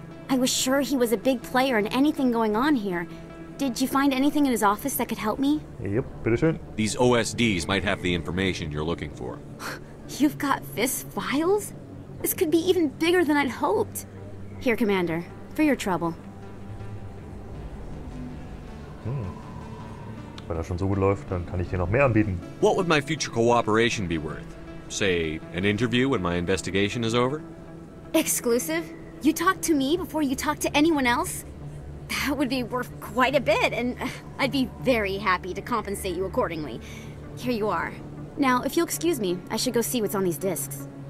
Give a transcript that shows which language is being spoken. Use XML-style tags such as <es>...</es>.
<en>I was sure he was a big player in anything going on here. Did you find anything in his office that could help me? Yep,</en> <de>bitte schön.</de> <en>These OSDs might have the information you're looking for. You've got Fist files? This could be even bigger than I'd hoped. Here, Commander, for your trouble.</en> <de>Wenn das schon so gut läuft, dann kann ich dir noch mehr anbieten.</de> <en>What would my future cooperation be worth? Say, an interview when my investigation is over? Exclusive? You talk to me before you talk to anyone else? That would be worth quite a bit, and I'd be very happy to compensate you accordingly. Here you are. Now, if you'll excuse me, I should go see what's on these discs.</en>